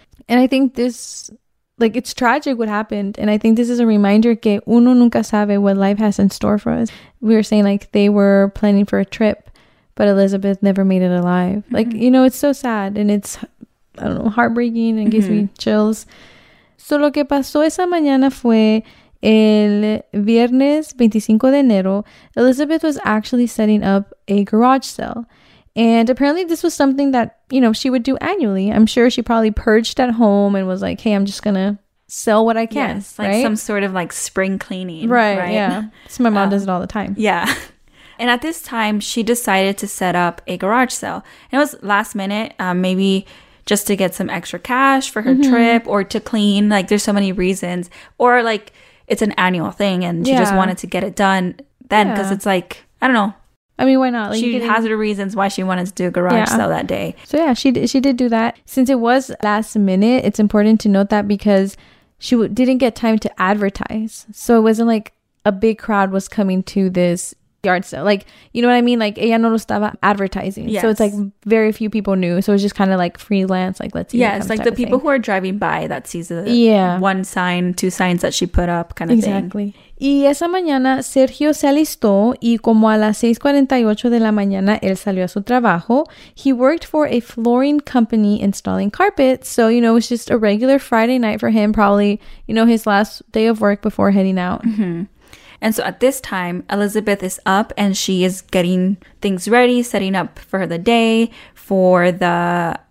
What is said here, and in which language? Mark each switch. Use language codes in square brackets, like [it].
[en] And I think this, like, it's tragic what happened. And I think this is a reminder [es] que uno nunca sabe [en] what life has in store for us. We were saying, like, they were planning for a trip, but Elizabeth never made it alive. Mm-hmm. Like, you know, it's so sad. And it's, I don't know, heartbreaking and gives mm-hmm. me chills. [es] So lo que pasó esa mañana fue el viernes 25 de enero, [en] Elizabeth was actually setting up a garage sale. And apparently this was something that, you know, she would do annually. I'm sure she probably purged at home and was like, hey, I'm just going to sell what I can. Yes, like, right? Some sort of like spring cleaning. Right, right? Yeah. So my mom does it all the time. Yeah. And at this time, she decided to set up a garage sale. And it was last minute, maybe just to get some extra cash for her mm-hmm. trip or to clean. Like, there's so many reasons. Or like, it's an annual thing and she yeah. just wanted to get it done then because yeah. it's like, I don't know. I mean, why not? Like, she has her reasons why she wanted to do a garage yeah. sale that day. So yeah, she did do that. Since it was last minute, it's important to note that because she didn't get time to advertise. So it wasn't like a big crowd was coming to this yard sale. Like, you know what I mean? [es] Like, ella no lo estaba [en] advertising. Yes. So it's like very few people knew. So it was just kind of like freelance. Like, let's see. Yeah, it's like the people who are driving by that sees the yeah. one sign, 2 signs that she put up kind of exactly. thing. Exactly. [es] Y esa mañana, Sergio se alistó y como a las 6:48 de la mañana, él salió a su trabajo. [en] He worked for a flooring company installing carpet. So, you know, it was just a regular Friday night for him, probably, you know, his last day of work before heading out. Mm-hmm. And so at this time, Elizabeth is up and she is getting things ready, setting up for the day, for the